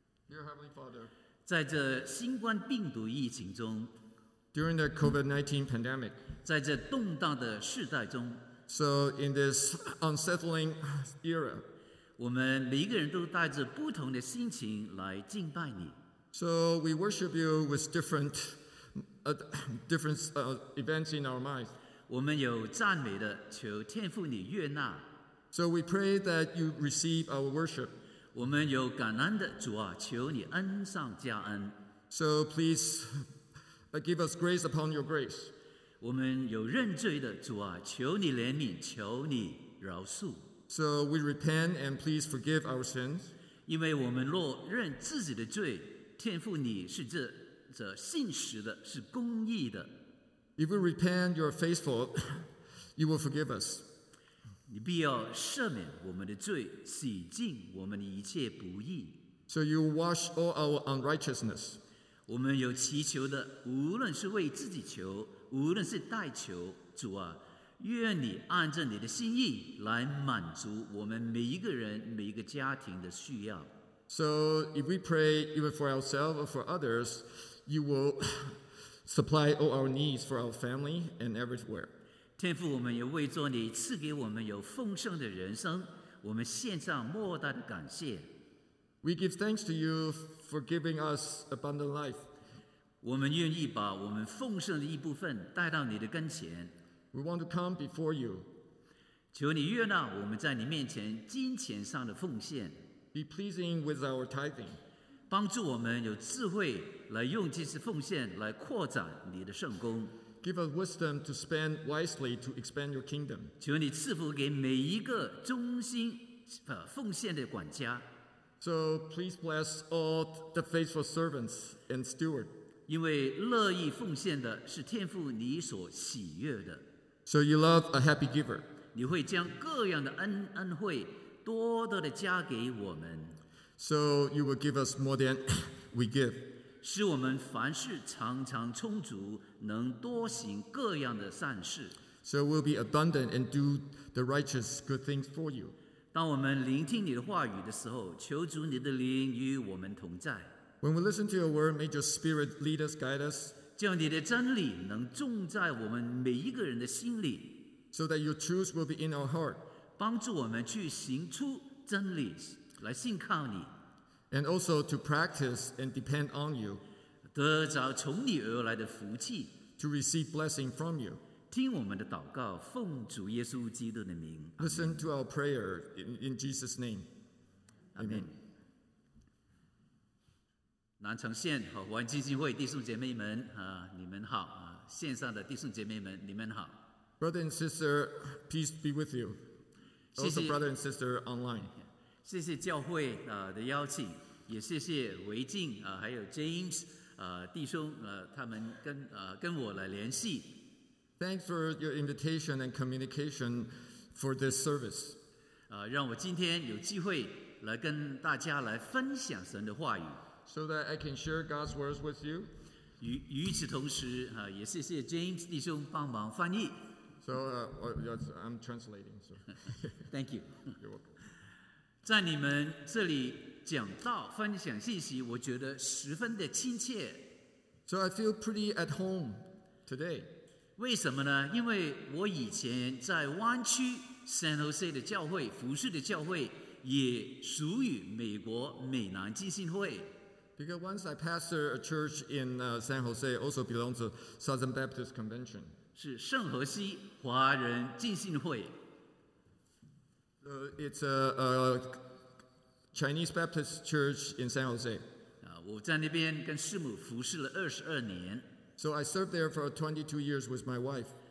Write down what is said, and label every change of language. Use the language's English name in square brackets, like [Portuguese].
[English] Dear Heavenly Father， [Chinese] 在这新冠病毒疫情中， [English] During the COVID-19 pandemic， [Chinese] 在这动荡的世代中， [English] So in this unsettling era， [Chinese] 我们每一个人都带着不同的心情来敬拜你。 [English] So we worship you with different events in our minds. [Chinese] 我们有赞美的，求天父你悦纳。 [English] So we pray that you receive our worship. [Chinese] 我们有感恩的，主啊，求你恩上加恩。 [English] So please give us grace upon your grace. [Chinese] 我们有认罪的，主啊，求你怜悯，求你饶恕。 [English] So we repent and please forgive our sins. [Chinese] 因为我们若认自己的罪，天父你是这信实的，是公义的。 [English] If we repent, you are faithful, you will forgive us. [Chinese] 你必要赦免我们的罪，洗净我们的一切不义。 [English] So you wash all our unrighteousness. [Chinese] 我们有祈求的，无论是为自己求，无论是代求，主啊，愿你按着你的心意来满足我们每一个人，每一个家庭的需要。 [English] So if we pray even for ourselves or for others, you will supply all our needs for our family and everywhere. [Chinese] 天父，我们也为着你赐给我们有丰盛的人生，我们献上莫大的感谢。 [English] We give thanks to you for giving us abundant life. [Chinese] 我们愿意把我们丰盛的一部分带到你的跟前。 [English] We want to come before you. [Chinese] 求你悦纳我们在你面前金钱上的奉献。 [English] Be pleasing with our tithing. [Chinese] 帮助我们有智慧来用这些奉献来扩展你的圣工。 [English] Give us wisdom to spend wisely to expand your kingdom. [Chinese] 求你赐福给每一个忠心奉献的管家。 [English] So please bless all the faithful servants and steward. [Chinese] 因为乐意奉献的是天父你所喜悦的。 [English] So you love a happy giver. [Chinese] 你会将各样的恩惠。多多的加给我们。 [English] So you will give us more than we give. [Chinese] 使我们凡事常常充足，能多行各样的善事。 [English] So we'll be abundant and do the righteous good things for you. [Chinese] 当我们聆听你的话语的时候，求主你的灵与我们同在。 [English] When we listen to your word, may your spirit lead us, guide us. [Chinese] 叫你的真理能种在我们每一个人的心里。 [English] So that your truth will be in our heart. [Chinese] 帮助我们去行出真理，来信靠你。 [English] And also to practice and depend on you. [Chinese] 得着从你而来的福气。 [English] To receive blessing from you. [Chinese] 听我们的祷告，奉主耶稣基督的名。 [English] Listen to our prayer in Jesus' name. Amen. [Chinese] 南城县和华人基金会弟兄姐妹们，你们好。线上的弟兄姐妹们，你们好。 [English] Brother and sister, peace be with you. Also, brother and sister online. [Chinese] 谢谢教会的邀请，也谢谢维静还有 James 弟兄他们跟我来联系。 [English] Thanks for your invitation and communication for this service. [Chinese] 让我今天有机会来跟大家来分享神的话语。 [English] So that I can share God's words with you. [Chinese] 与此同时也谢谢 James 弟兄帮忙翻译。 [English] So, yes, I'm translating. So. Thank you. You're welcome. [Chinese] 在你们这里讲道、分享信息，我觉得十分的亲切。 [English] So I feel pretty at home today. [Chinese] 为什么呢？因为我以前在湾区 San Jose 的教会、服事的教会，也属于美国美南浸信会。 [English] Because once I pastor a church in San Jose, also belongs to Southern Baptist Convention. [Chinese] 是圣何西华人浸信会。 [English] It's a Chinese Baptist Church in San Jose. [Chinese] 我在那边跟师母服侍了22年。 [English] So I served there for 22 years with my wife.